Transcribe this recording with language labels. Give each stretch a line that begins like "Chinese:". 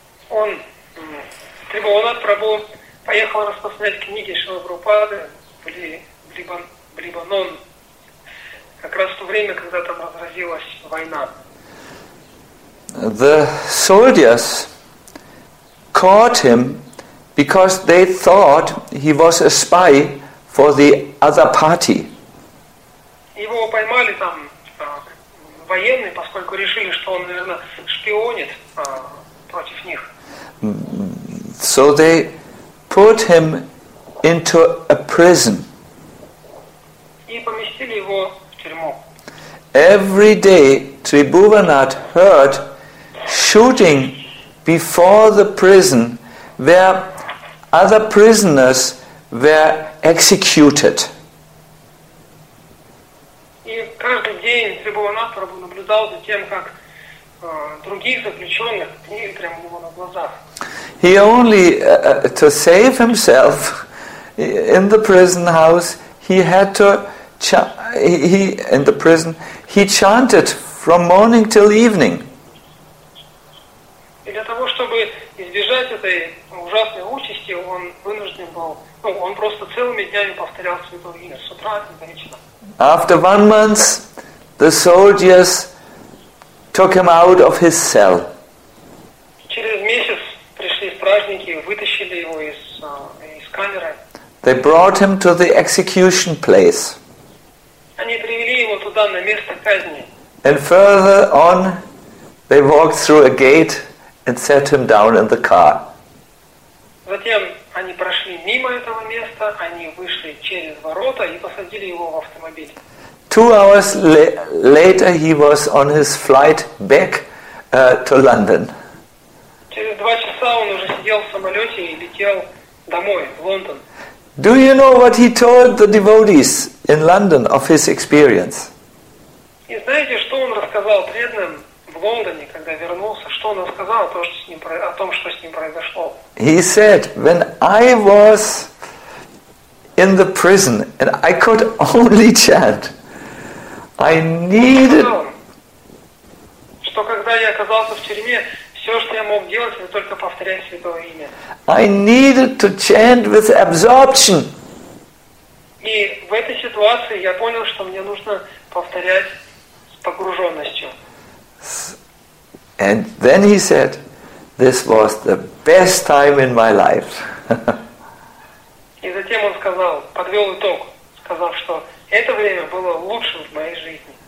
Russian: Он, Трибхуванат Прабху, поехал распространять книги Шрила Прабхупады в Лебанон как раз в то время, когда там разразилась война.
English: The soldiers caught him because they thought he was a spy for the other party.
Russian: Его поймали там военные, поскольку решили, что он, наверное, шпионит против них.
English: So they put him into a prison.
Russian: И поместили его в тюрьму.
English: Every day Tribhuvanath heard shooting before the prison where other prisoners were executed.
Russian: И каждый день Tribhuvanath наблюдал за тем, как других заключенных пнили прямо у него на глазах.
English: He only, to save himself in the prison house, he had to, he chanted from morning till evening.
Russian: И для того, чтобы избежать этой ужасной участи, он вынужден был, ну, он просто целыми днями повторял святое имя, с утра и до вечера.
English: After 1 month, the soldiers took him out of his cell.
Russian: Через месяц пришли стражники, вытащили его из камеры.
English: They brought him to the execution place.
Russian: Они привели его туда, на место казни.
English: And further on, they walked through a gate and set him down in the car.
Russian: Затем они прошли мимо этого места, они вышли через ворота и посадили его в автомобиль.
English: 2 hours later, he was on his flight back to London.
Russian: Через 2 часа он уже сидел в самолете и летел домой, в Лондон.
English: Do you know what he told the devotees in London of his experience?
Russian: И знаете, что он рассказал преданным в Лондоне, когда вернулся? Что он рассказал о том, что с ним произошло?
English: He said, when I was in the prison and I could only chant, I needed...
Russian: Он сказал, что когда я оказался в тюрьме, все, что я мог делать, это только повторять святое имя.
English: I needed to chant with absorption.
Russian: И в этой ситуации я понял, что мне нужно повторять с погруженностью.
English: And then he said, this was the best time in my life.
Russian: И затем он сказал, подвел итог, сказав, что это время было лучшим в моей жизни.